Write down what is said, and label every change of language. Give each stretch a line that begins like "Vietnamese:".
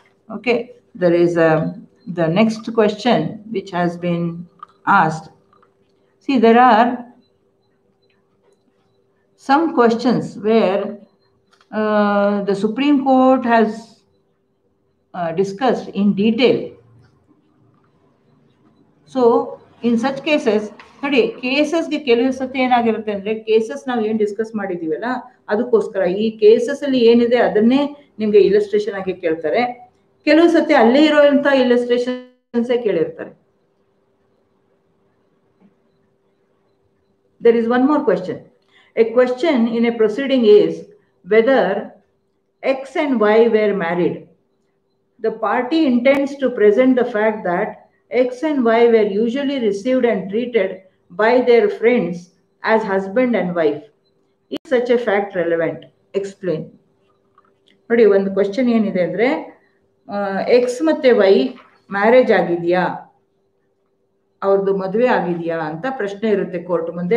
English: Okay, there is the next question which has been asked. See, there are some questions where the Supreme Court has discussed in detail. So in such cases,
Kannada: ನೋಡಿ, ಕೇಸಸ್ಗೆ ಕೆಲವು ಸತಿ ಏನಾಗಿರುತ್ತೆ ಅಂದರೆ cases ನಾವು ಏನು discuss ಮಾಡಿದ್ದೀವಲ್ಲ ಅದಕ್ಕೋಸ್ಕರ ಈ ಕೇಸಸ್ಸಲ್ಲಿ ಏನಿದೆ ಅದನ್ನೇ ನಿಮಗೆ ಇಲ್ಲಸ್ಟ್ರೇಷನ್ ಆಗಿ ಕೇಳ್ತಾರೆ. ಕೆಲವು ಸತಿ ಅಲ್ಲೇ ಇರೋವಂಥ ಇಲ್ಲಸ್ಟ್ರೇಷನ್ಸೇ ಕೇಳಿರ್ತಾರೆ.
English: There is one more question. A question in a proceeding is whether X and Y were married. The party intends to present the fact that X and Y were usually received and treated by their friends as husband and wife. Is such a fact relevant? Explain.
Kannada: ನೋಡಿ, ಒಂದು question ಏನಿದೆ ಅಂದ್ರೆ, X ಮತ್ತೆ Y marriage ಆಗಿದೆಯಾ, ಅವ್ರದ್ದು ಮದುವೆ ಆಗಿದೆಯಾ ಅಂತ ಪ್ರಶ್ನೆ ಇರುತ್ತೆ ಕೋರ್ಟ್ ಮುಂದೆ.